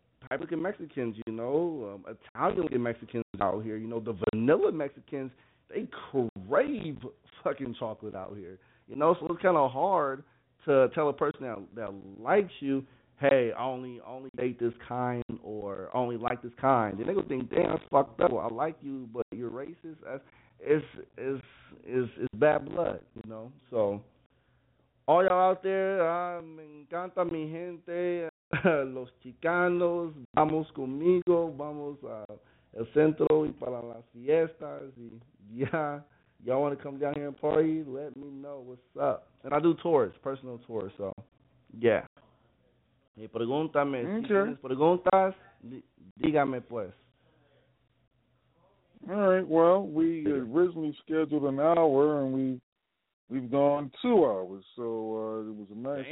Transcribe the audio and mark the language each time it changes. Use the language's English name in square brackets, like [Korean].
[English] Typical Mexicans, you know, Italian Mexicans out here, you know, the vanilla Mexicans, they crave fucking chocolate out here, you know, so it's kind of hard to tell a person that likes you, hey, I only date this kind or I only like this kind, and they're going to think, damn, that's fucked up, I like you, but you're racist, it's bad blood, you know, so all y'all out there, [Spanish] me encanta mi gente. Los chicanos, vamos conmigo, vamos al centro y para las fiestas, y ya, [English] y'all want to come down here and party, let me know what's up. And I do tours, personal tours, so, yeah. [Spanish] Y pregúntame, [English] sure. [Spanish] Si tienes preguntas, dígame pues. [English] All right, well, we originally scheduled an hour, and we've gone 2 hours, so it was a nice